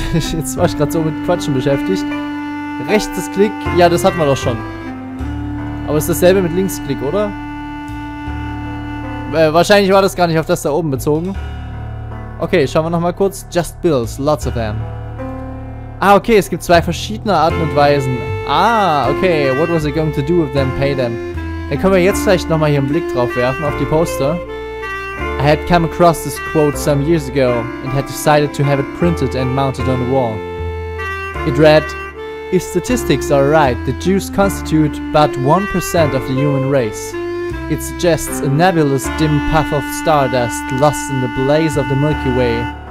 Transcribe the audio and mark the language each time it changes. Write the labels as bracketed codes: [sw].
[de] Jetzt war ich gerade so mit Quatschen beschäftigt. Rechtes Klick, ja, das hatten wir doch schon. Aber es ist dasselbe mit Linksklick, oder? Wahrscheinlich war das gar nicht auf das da oben bezogen. Okay, schauen wir nochmal kurz. [en] Just bills, lots of them. [de] Ah, okay, es gibt zwei verschiedene Arten und Weisen. [en] Ah, okay, what was I going to do with them, pay them? [de] Dann können wir jetzt vielleicht nochmal hier einen Blick drauf werfen, auf die Poster. [en] I had come across this quote some years ago and had decided to have it printed and mounted on the wall. It read, "If statistics are right, the Jews constitute but 1% of the human race. It suggests a nebulous dim puff of stardust lost in the blaze of the Milky Way.